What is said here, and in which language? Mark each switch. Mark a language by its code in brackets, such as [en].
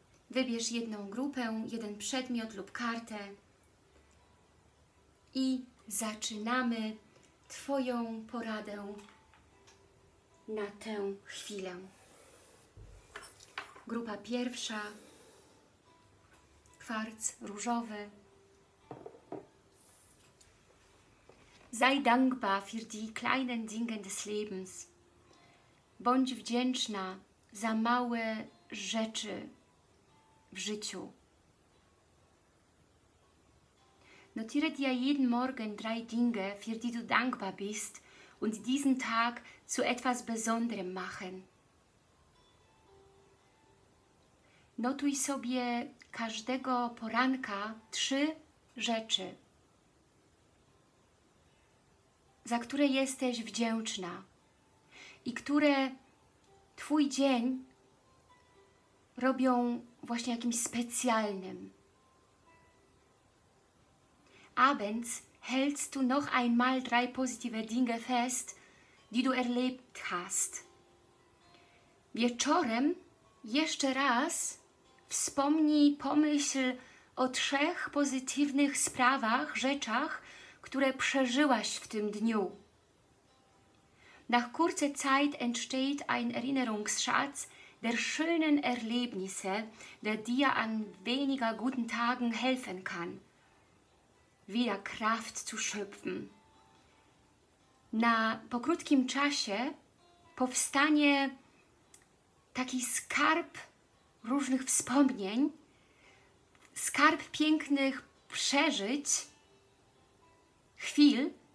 [pl] Wybierz jedną grupę, jeden przedmiot lub kartę i zaczynamy Twoją poradę na tę chwilę. Grupa pierwsza, kwarc różowy. [de] Sei dankbar für die kleinen Dinge des Lebens. [pl] Bądź wdzięczna za małe rzeczy w życiu. [de] Notiere dir jeden Morgen drei Dinge, für die du dankbar bist und diesen Tag zu etwas Besonderem machen. [pl] Notuj sobie każdego poranka trzy rzeczy, za które jesteś wdzięczna i które Twój dzień robią właśnie jakimś specjalnym. [de] Abends hältst du noch einmal drei positive Dinge fest, die du erlebt hast. [pl] Wieczorem jeszcze raz wspomnij, pomyśl o trzech pozytywnych sprawach, rzeczach, które przeżyłaś w tym dniu. [de] Nach kurzer Zeit entsteht ein Erinnerungsschatz der schönen Erlebnisse, der dir an weniger guten Tagen helfen kann, wieder Kraft zu schöpfen. [pl] Po krótkim czasie powstanie taki skarb różnych wspomnień, skarb pięknych przeżyć, chwil,